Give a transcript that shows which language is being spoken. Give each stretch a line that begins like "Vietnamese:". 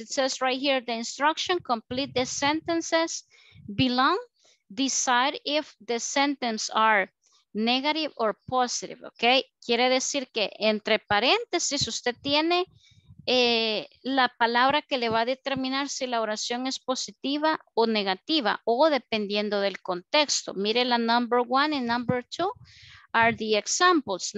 English: It says right here, the instruction, complete the sentences belong. Decide if the sentence are negative or positive. Okay.
Spanish: Quiere decir que entre paréntesis usted tiene la palabra que le va a determinar si la oración es positiva o negativa, o dependiendo del contexto.
English: Mire la number one and number two are the examples.